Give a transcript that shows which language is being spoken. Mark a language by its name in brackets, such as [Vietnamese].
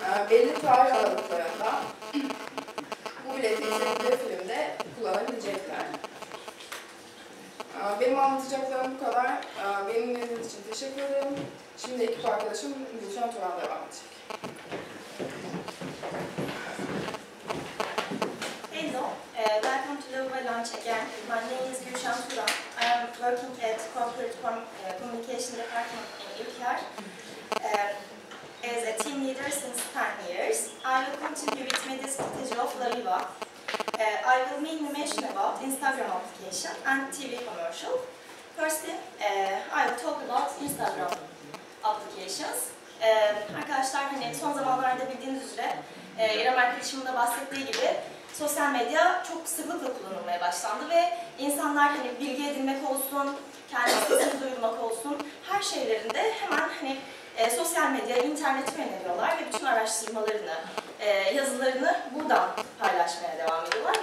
[Turkish] Belli tarih aralıklarında bu bileti izlediğiniz filmde kullanabilecekler. Benim anlatacaklarım bu kadar. Benim izlediğiniz için teşekkür ederim. Şimdi ekip arkadaşım Gülşen Turan devam edecek. [English] Hello, welcome to Lavva Launch again. My name is Gülşen Turan. I am working at Corporate Communication Department in ÜLKER as a team leader since 10 years. I will continue with media strategy of Lavva. I will mainly mention about Instagram application and TV commercial. Firstly, I will talk about Instagram applications. [Turkish] Arkadaşlar, hani son zamanlarda bildiğiniz üzere İrem arkadaşımın da bahsettiği gibi sosyal medya çok sıklıkla kullanılmaya başlandı ve insanlar hani bilgi edinmek olsun, kendisini duyurmak olsun, her şeylerinde hemen hani sosyal medya, interneti yöneliyorlar ve bütün araştırmalarını, yazılarını buradan paylaşmaya devam ediyorlar.